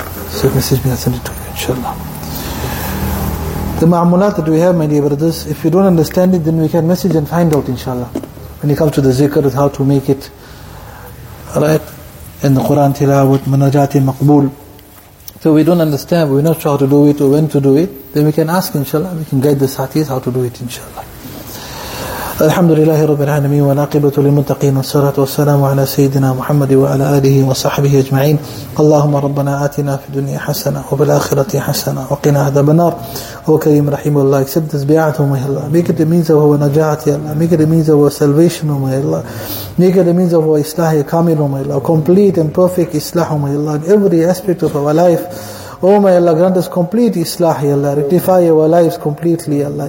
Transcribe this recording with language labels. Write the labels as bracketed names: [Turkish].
[English] So message me, I'll send it to you, inshallah. The ma'amulat that we have, my dear brothers, if you don't understand it, then we can message and find out, inshallah. When it comes to the zikr, how to make it right in the Quran tilawat, manajati maqbool. So we don't understand, we're not sure how to do it or when to do it, then we can ask, inshallah, we can guide the satis how to do it, inshallah. [Arabic] الحمد لله رب العالمين والعاقبة للمتقين والصلاة والسلام على سيدنا محمد وعلى آله وصحبه أجمعين. اللهم ربنا آتنا في الدنيا حسنة وفي الآخرة حسنة وقنا عذاب النار. هو كريم رحيم. [English] الله accept this bi'at, oh my Allah, make it the means of our najat, ya Allah, make it the means of our salvation, oh my Allah, make it the means of our islah, ya kamil, oh my Allah, complete and perfect islah, oh my Allah, in every aspect of our life. Oh, may Allah grant us complete islah, Ya Allah. Rectify our lives completely, Ya Allah.